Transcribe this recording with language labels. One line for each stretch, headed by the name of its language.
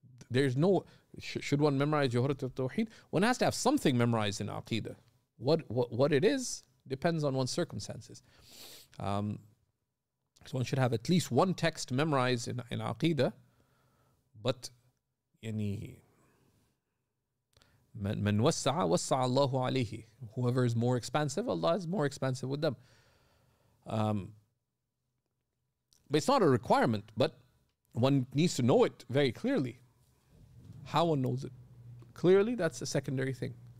English: There's no... Should one memorize Jawharat al-Tawhid? One has to have something memorized in Aqidah. What it is depends on one's circumstances. So one should have at least one text memorized in Aqidah. But any
Arabic: من وسع وسع الله عليه.
English: Whoever is more expansive, Allah is more expansive with them. But it's not a requirement, but one needs to know it very clearly. How one knows it clearly, that's a secondary thing.